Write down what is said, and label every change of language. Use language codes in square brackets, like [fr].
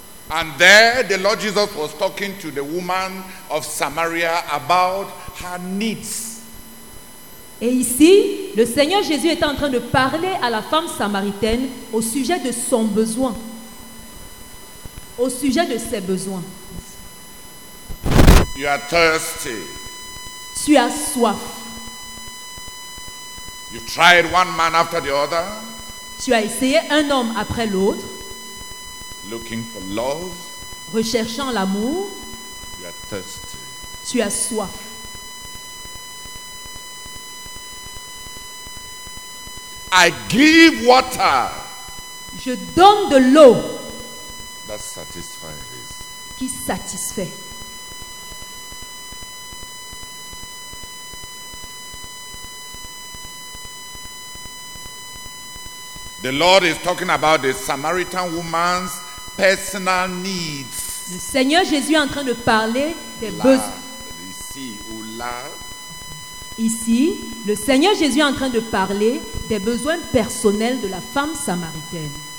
[en] And there the Lord Jesus was talking to the woman of Samaria about her needs. [fr] Et ici, le Seigneur Jésus est en train de parler à la femme samaritaine au sujet de son besoin. Au sujet de ses besoins. [en] You are thirsty. [fr] Tu as soif. [en] You tried one man after the other. [fr] Tu as essayé un homme après l'autre. [en] Looking for love. [fr] Recherchant l'amour. [en] You are thirsty. [fr] Tu as soif. [en] I give water. [fr] Je donne de l'eau. [en] That satisfies. [fr] Qui satisfait. [en] The Lord is talking about the Samaritan woman's personal needs. [fr] Le Seigneur Jésus est en train de parler des besoins. Ici ou là. Ici, le Seigneur Jésus est en train de parler des besoins personnels de la femme samaritaine.